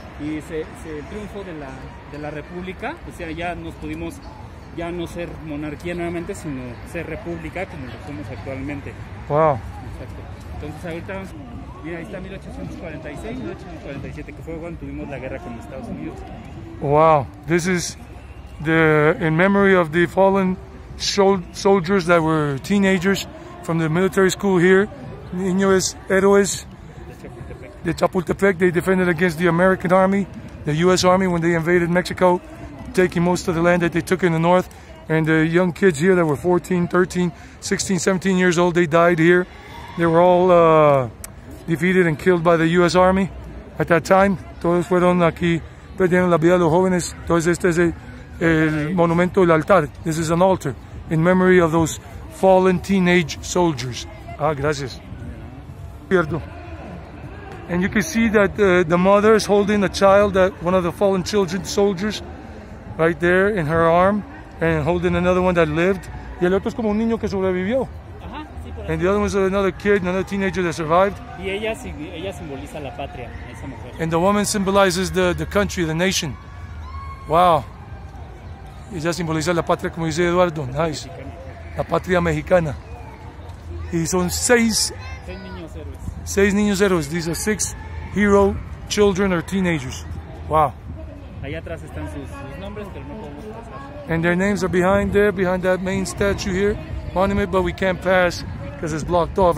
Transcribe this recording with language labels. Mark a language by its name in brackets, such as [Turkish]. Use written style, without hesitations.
[Spanish] y se el triunfo de la república, o sea, ya nos pudimos ya no ser monarquía nuevamente, sino ser república como lo somos actualmente. [English] Wow. [Spanish] Exacto. Entonces ahorita, mira, ahí está 1846, 1847, que fue cuando tuvimos la guerra con Estados Unidos. [English] Wow, this is the in memory of the fallen soldiers that were teenagers from the military school here, Niños Héroes. The Chapultepec, they defended against the American Army, the U.S. Army, when they invaded Mexico, taking most of the land that they took in the north. And the young kids here that were 14, 13, 16, 17 years old, they died here. They were all defeated and killed by the U.S. Army at that time. [Spanish] Todos fueron aquí, perdieron la vida los jóvenes. Entonces este es el monumento, el altar. [English] This is an altar in memory of those fallen teenage soldiers. [Spanish] Ah, gracias. Pierdo. [English] And you can see that the mother is holding a child, that one of the fallen children, soldiers, right there in her arm, and holding another one that lived. [Spanish] Y el otro es como un niño que sobrevivió. [English] And the other one is another kid, another teenager that survived. [Spanish] Y ella simboliza la patria, esa mujer. [English] And the woman symbolizes the country, the nation. Wow. [Spanish] Ella simboliza la patria, como dice Eduardo. Nice. La patria mexicana. Y son seis. Seis niños héroes. [English] These are six hero children or teenagers. Wow. [Spanish] Allá atrás están sus nombres, pero no podemos pasar. [English] And their names are behind there, behind that main statue here, monument, but we can't pass because it's blocked off.